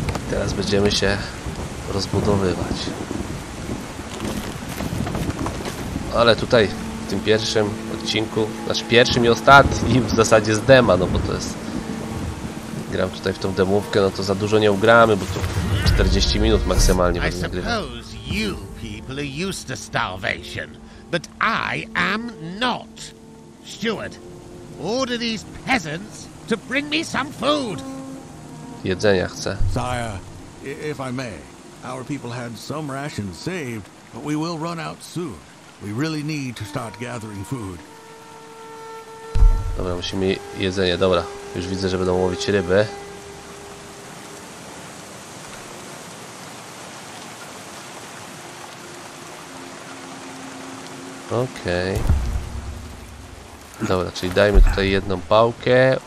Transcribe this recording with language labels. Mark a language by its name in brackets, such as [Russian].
[Polish] Teraz będziemy się rozbudowywać. Ale tutaj, w tym pierwszym odcinku, znaczy pierwszym i ostatnim w zasadzie z dema, no bo to jest... Gram tutaj w tą demówkę, no to za dużo nie ugramy, bo tu 40 minut maksymalnie będę grywał. [English] Suppose you people are used to starvation, but I am not. Steward, order these peasants to bring me some food. [Polish] Jedzenia chcę. [English] Sire, if I may, our people had some rations saved, but we will run out soon. We really need to start gathering food. [Polish] Dobra, musimy jedzenie, dobra. Już widzę, że będą łowić ryby. Okej. Okay. Dobra, czyli dajmy tutaj jedną pałkę.